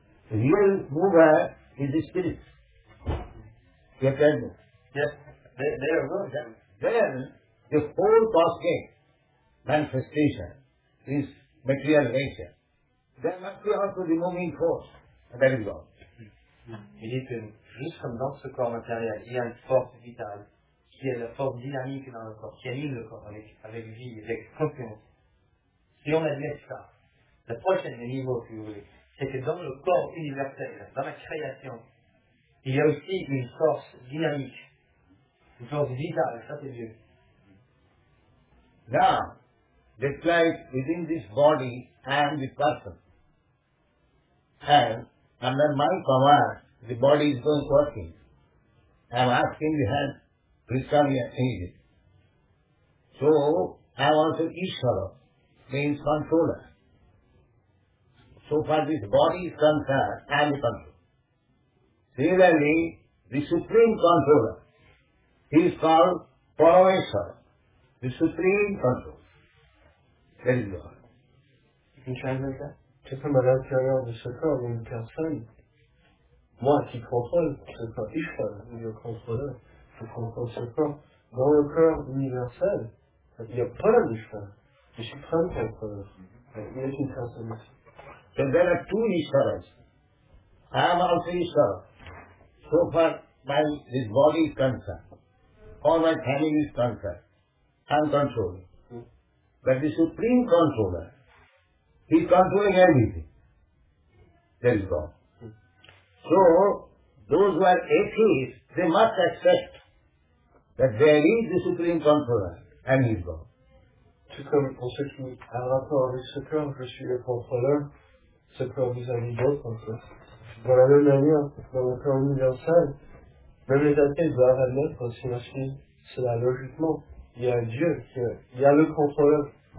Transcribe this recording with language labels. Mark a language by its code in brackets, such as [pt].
[en] The real mover is the spirit. You can move. Yes, they are good. Then the whole cosmic manifestation is material nature. There must be also the moving force. That is God. [fr] Il dit que juste comme dans ce corps matériel, il y a une force vitale qui est la force dynamique dans le corps, qui anime le corps avec vie, avec conscience. Si on admet ça, le prochain niveau, si vous voulez, c'est que dans le corps universel, dans la création, il y a aussi une force dynamique, une force vitale, ça c'est Dieu. [en] Now, that lies within this body and the person. And under my power, the body is going working. I am asking the hand, please come here, change it. So, I am also Ishvara, means controller. So far this body is concerned, I am the controller. Similarly, the supreme controller, he is called Parameshvara, the supreme controller. That is God. You can translate that? [fr] Tout comme à l'intérieur de ce corps, une personne, moi qui contrôle ce corps, je contrôle ce corps, dans le corps universel, il y a plein de choses. Je suis prêt à être, il y a une personne ici. Et il y a deux Ishvaras. Je suis aussi Ishvara. [en] So far, my this body is concerned. All my family is concerned. I'm controlling. But the supreme controller, he is controlling everything. That is God. Hmm. So, those who are atheists, they must accept that there is the supreme controller and he is God. [fr] Tout comme pour ceux qui ont un rapport avec ce corps, je suis le contrôleur, ce corps vis-à-vis d'autres, en fait. De la même manière, dans le corps universel, même les athées doivent admettre, sinon c'est cela logiquement, il y a Dieu, il y a le contrôleur.